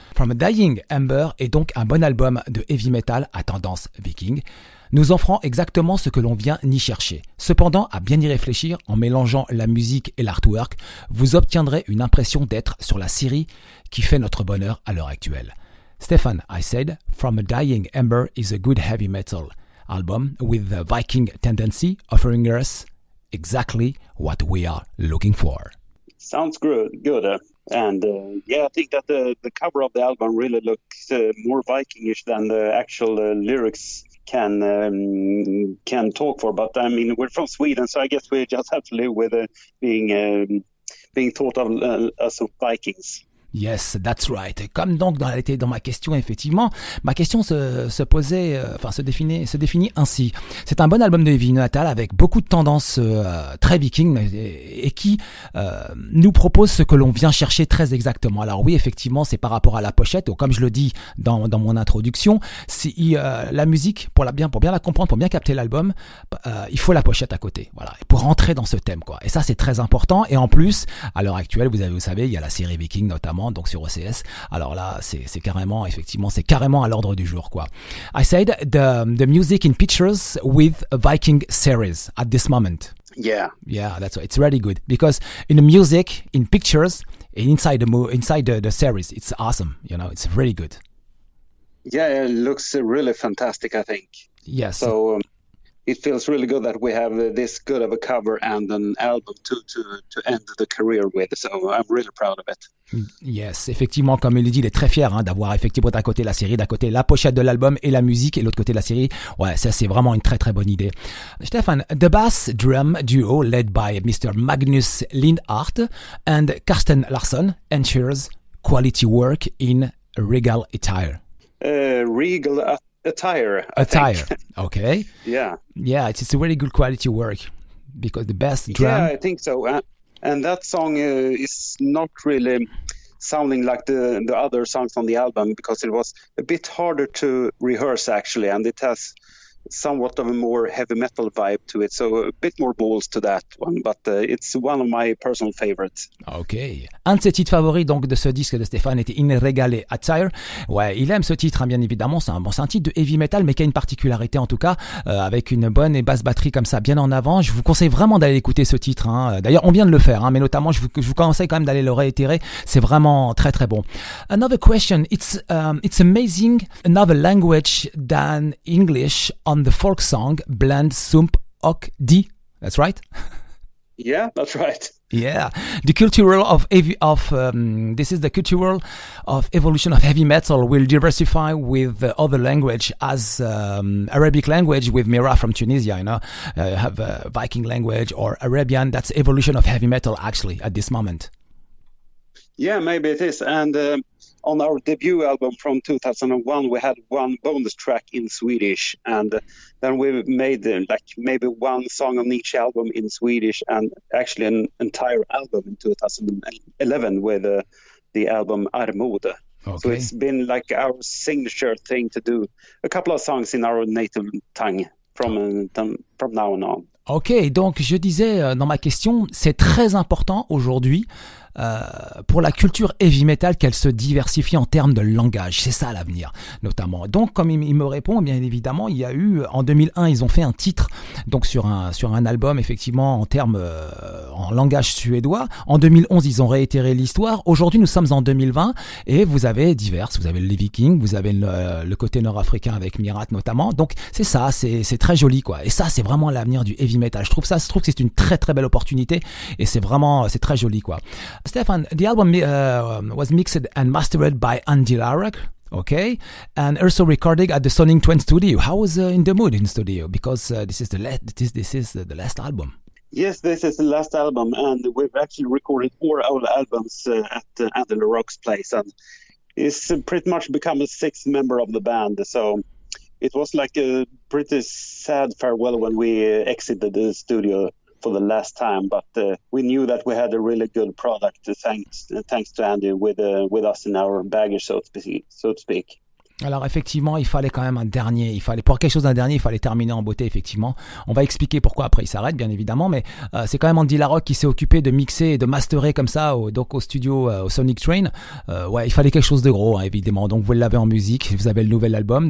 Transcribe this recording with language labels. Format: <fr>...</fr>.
<fr>From a Dying Ember est donc un bon album de heavy metal à tendance viking, nous offrant exactement ce que l'on vient n'y chercher. Cependant, à bien y réfléchir, en mélangeant la musique et l'artwork, vous obtiendrez une impression d'être sur la série qui fait notre bonheur à l'heure actuelle.</fr> <en>Stefan, I said, From a Dying Ember is a good heavy metal album with the Viking tendency offering us exactly what we are looking for. Sounds good. And I think that the cover of the album really looks more Vikingish than the actual lyrics can talk for. But I mean, we're from Sweden, so I guess we just have to live with being thought of as Vikings. Yes, that's right.</en> <fr>Comme donc dans ma question, effectivement, ma question se définit ainsi. C'est un bon album de heavy metal avec beaucoup de tendances très viking et qui nous propose ce que l'on vient chercher très exactement. Alors oui, effectivement, c'est par rapport à la pochette. Ou comme je le dis dans mon introduction, la musique pour bien la comprendre, pour bien capter l'album, il faut la pochette à côté. Voilà, pour rentrer dans ce thème quoi. Et ça, c'est très important. Et en plus, à l'heure actuelle, vous savez, il y a la série Viking notamment. Donc sur OCS, alors là c'est carrément à l'ordre du jour quoi.</fr> <en>I said the music in pictures with a Viking series at this moment. Yeah, that's why it's really good because in the music in pictures inside the series it's awesome, you know, it's really good. Yeah, it looks really fantastic, I think. Yes. Yeah, so it feels really good that we have this good of a cover and an album to end the career with. So I'm really proud of it. Yes,</en> <fr>effectivement, comme il le dit, il est très fier hein, d'avoir effectivement d'un côté la série, d'un côté la pochette de l'album et la musique, et l'autre côté la série. Ouais, ça c'est vraiment une très très bonne idée.</fr> <en>Stefan, the bass drum duo led by Mr. Magnus Lindhart and Carsten Larsson ensures quality work in regal attire. Regal attire. Okay. Yeah. Yeah, it's a really good quality work because the bass drum. Yeah, I think so. And that song is not really sounding like the other songs on the album because it was a bit harder to rehearse, actually, and it has somewhat of a more heavy metal vibe to it, so a bit more balls to that one, but it's one of my personal favorites. Okay.</en> <fr>Un de ses titres favoris donc de ce disque de Stefan était In Regale Attire. Ouais, il aime ce titre, hein, bien évidemment, c'est un titre de heavy metal, mais qui a une particularité en tout cas, avec une bonne et basse batterie comme ça, bien en avant. Je vous conseille vraiment d'aller écouter ce titre. Hein. D'ailleurs, on vient de le faire, hein, mais notamment, je vous conseille quand même d'aller le réitérer, c'est vraiment très très bon.</fr> <en>Another question, it's amazing, another language than English on the folk song Blend Sump Ok D. That's right? Yeah, that's right. Yeah. The cultural of heavy of this is the cultural of evolution of heavy metal will diversify with other language as Arabic language with Mira from Tunisia, you know, have a Viking language or Arabian. That's evolution of heavy metal actually at this moment. Yeah, maybe it is. And on our debut album from 2001, we had one bonus track in Swedish. And then we made like maybe one song on each album in Swedish and actually an entire album in 2011 with the album Armode. Okay. So it's been like our signature thing to do a couple of songs in our native tongue from now on.</en> <fr>Ok, donc je disais dans ma question, c'est très important aujourd'hui pour la culture heavy metal, qu'elle se diversifie en termes de langage. C'est ça l'avenir, notamment. Donc, comme il me répond, bien évidemment, il y a eu, en 2001, ils ont fait un titre, donc sur un album, effectivement, en termes, en langage suédois. En 2011, ils ont réitéré l'histoire. Aujourd'hui, nous sommes en 2020 et vous avez diverses. Vous avez le Levy King, vous avez le côté nord-africain avec Mirat, notamment. Donc, c'est ça, c'est très joli, quoi. Et ça, c'est vraiment l'avenir du heavy metal. Je trouve que c'est une très, très belle opportunité et c'est très joli, quoi.</fr> <en>Stefan, the album was mixed and mastered by Andy Larak, okay, and also recorded at the Sonic Twin Studio. How was in the mood in the studio? Because this is the last album. Yes, this is the last album, and we've actually recorded all our albums at Andy Larak's place, and he's pretty much become a sixth member of the band. So it was like a pretty sad farewell when we exited the studio for the last time, but we knew that we had a really good product thanks to Andy with us in our baggage, so to speak.</en> <fr>Alors effectivement, il fallait quand même un dernier. Il fallait pour quelque chose d'un dernier, il fallait terminer en beauté. Effectivement, on va expliquer pourquoi après il s'arrête, bien évidemment. Mais c'est quand même Andy Larak qui s'est occupé de mixer et de masterer comme ça au studio au Sonic Train. Ouais, il fallait quelque chose de gros, hein, évidemment. Donc vous l'avez en musique. Vous avez le nouvel album.</fr>